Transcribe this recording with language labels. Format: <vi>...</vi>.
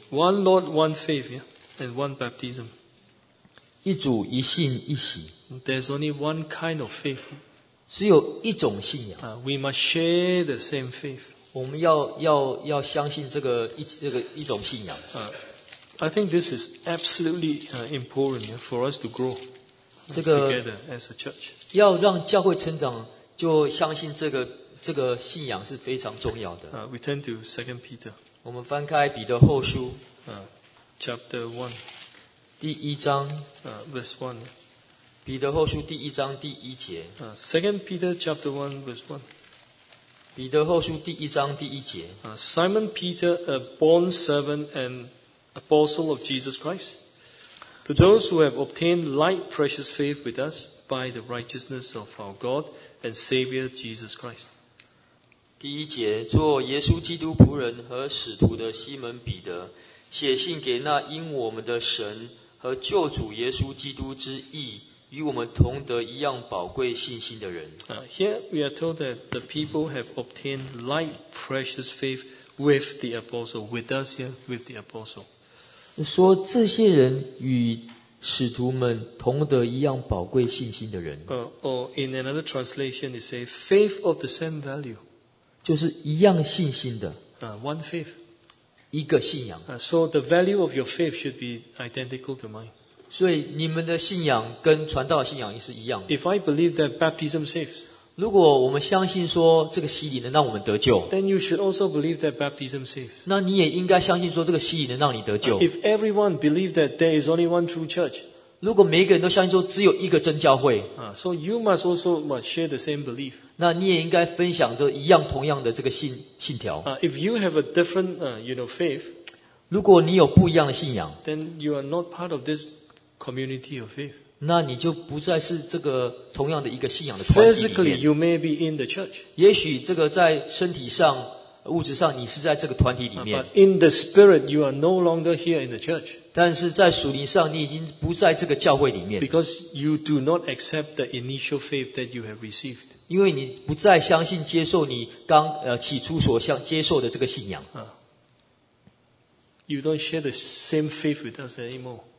<en>One Lord, one faith, yeah? And one baptism.</en> <zh>一主一信一喜。</zh> <en>There's only one kind of faith.</en> <zh>只有一种信仰。</zh> <en>We must share the same faith.</en> <zh>我们要相信这个一种信仰。</zh> <en>I think this is absolutely important for us to grow together as a church.</en> <zh>要让教会成长，就相信这个信仰是非常重要的。</zh> <en>We turn to 2 Peter.</en> <zh>我们翻开彼得后书。</zh> <en>Chapter 1.</en> <zh>第一章</zh> <en>verse 1.</en> <zh>彼得后书第一章第一节。</zh> <en>Second Peter chapter 1 verse 1.</en> <zh>彼得后书第一章第一节。</zh> <en>Simon Peter, a born servant and apostle of Jesus Christ, to those who have obtained like precious faith with us by the righteousness of our God and Savior Jesus Christ.</en> <zh>第一节，做耶稣基督仆人和使徒的西门彼得，写信给那因我们的神和救主耶稣基督之义与我们同得一样宝贵信心的人。</zh> <en>Here we are told that the people have obtained like precious faith with the apostle, with us here, with the apostle.</en> <zh>说这些人与使徒们同得一样宝贵信心的人。</zh> <en>Or in another translation, it says faith of the same value.</en> <zh>就是一样信心的。</zh> <en>One faith.</en> <zh>一个信仰。</zh> <en>So the value of your faith should be identical to mine.</en> <zh>所以你们的信仰跟传道信仰是一样的。</zh> <en>If I believe that baptism saves.</en> <zh>如果我们相信说这个洗礼能让我们得救</zh> <en>，Then you should also believe that baptism saves.</en> <zh>那你也应该相信说这个洗礼能让你得救。</zh> <en>If everyone believes that there is only one true church,</en> <zh>如果每一个人都相信说只有一个真教会</zh> <en>，So you must also must share the same belief.</en> <zh>那你也应该分享这一样同样的这个信条。</zh> <en>If you have a different, faith,</en> <zh>如果你有不一样的信仰</zh> <en>，Then you are not part of this community of faith.</en> <zh>那你就不再是这个同样的一个信仰的团体里面。</zh> <en>Physically, you may be in the church.</en> <zh>也许这个在身体上、物质上，你是在这个团体里面。</zh> <en>But in the spirit, you are no longer here in the church.</en> <zh>但是在属灵上，你已经不在这个教会里面。</zh> <en>Because you do not accept the initial faith that you have received.</en> <zh>因为你不再相信接受你刚起初所相接受的这个信仰。</zh> <en>You don't share the same faith with us anymore.</en>